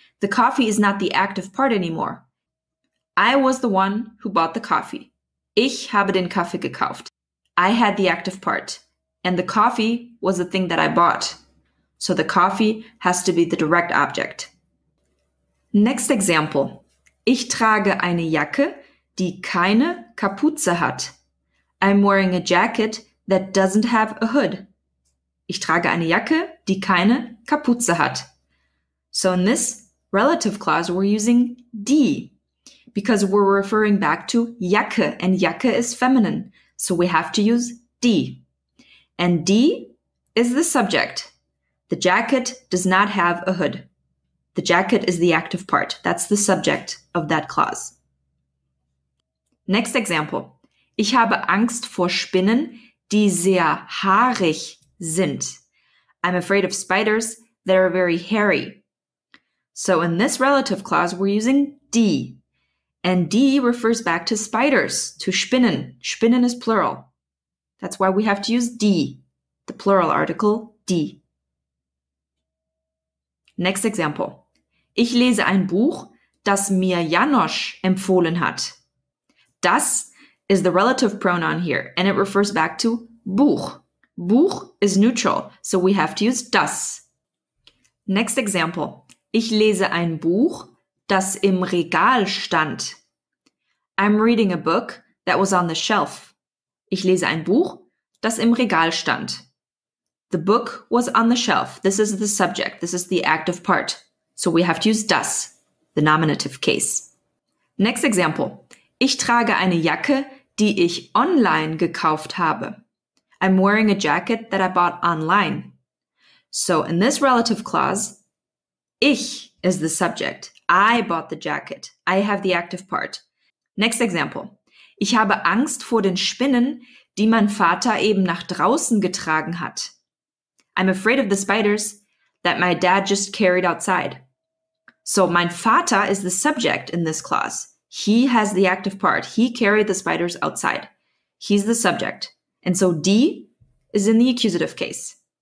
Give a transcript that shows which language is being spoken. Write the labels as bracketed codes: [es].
[en] The coffee is not the active part anymore. I was the one who bought the coffee. [de] Ich habe den Kaffee gekauft. [en] I had the active part. And the coffee was the thing that I bought. So the coffee has to be the direct object. Next example. [de] Ich trage eine Jacke, die keine Kapuze hat. [en] I'm wearing a jacket that doesn't have a hood. [de] Ich trage eine Jacke, die keine Kapuze hat. [en] So in this relative clause, we're using die, because we're referring back to Jacke, and Jacke is feminine, so we have to use die. And die is the subject. The jacket does not have a hood. The jacket is the active part. That's the subject of that clause. Next example. [de] Ich habe Angst vor Spinnen, die sehr haarig sind. [en] I'm afraid of spiders that are very hairy. So in this relative clause, we're using die. And die refers back to spiders, to Spinnen. Spinnen is plural. That's why we have to use die, the plural article die. Next example. [de] Ich lese ein Buch, das mir Janosch empfohlen hat. [en] Das is the relative pronoun here, and it refers back to Buch. Buch is neutral, so we have to use das. Next example. [de] Ich lese ein Buch, das im Regal stand. [en] I'm reading a book that was on the shelf. [de] Ich lese ein Buch, das im Regal stand. [en] The book was on the shelf. This is the subject. This is the active part. So we have to use das, the nominative case. Next example. [de] Ich trage eine Jacke, die ich online gekauft habe. [en] I'm wearing a jacket that I bought online. So in this relative clause, ich is the subject. I bought the jacket. I have the active part. Next example. [de] Ich habe Angst vor den Spinnen, die mein Vater eben nach draußen getragen hat. [en] I'm afraid of the spiders that my dad just carried outside. So mein Vater is the subject in this clause. He has the active part. He carried the spiders outside. He's the subject. And so die is in the accusative case.